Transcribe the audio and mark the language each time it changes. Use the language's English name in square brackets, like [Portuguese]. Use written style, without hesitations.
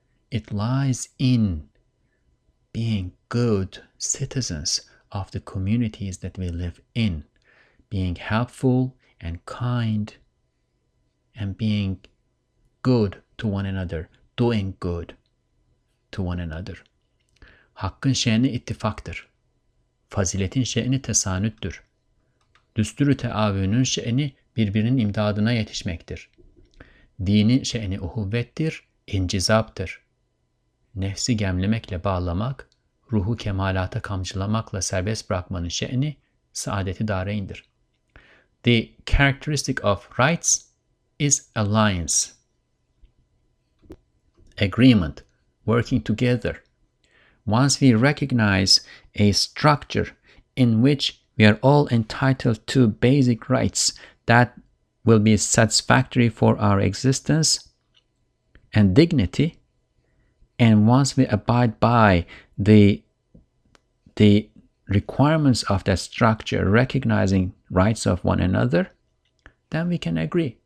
[English] It lies in being good citizens of the communities that we live in, being helpful and kind, and being good to one another, doing good to one another. [Turkish] Hakkın şe'ni ittifaktır. Faziletin şe'ni tesanüttür. Düstur-u teavünün şe'ni birbirinin imdadına yetişmektir. Dinin şe'ni uhuvvettir, incizaptır. nefsi gemlemekle bağlamak, ruhu kemalata kamçılamakla serbest bırakmanın şe'ni saadeti dareindir. [English] The characteristic of rights is alliance, agreement, working together. Once we recognize a structure in which we are all entitled to basic rights that will be satisfactory for our existence and dignity, and once we abide by the requirements of that structure, recognizing rights of one another, then we can agree.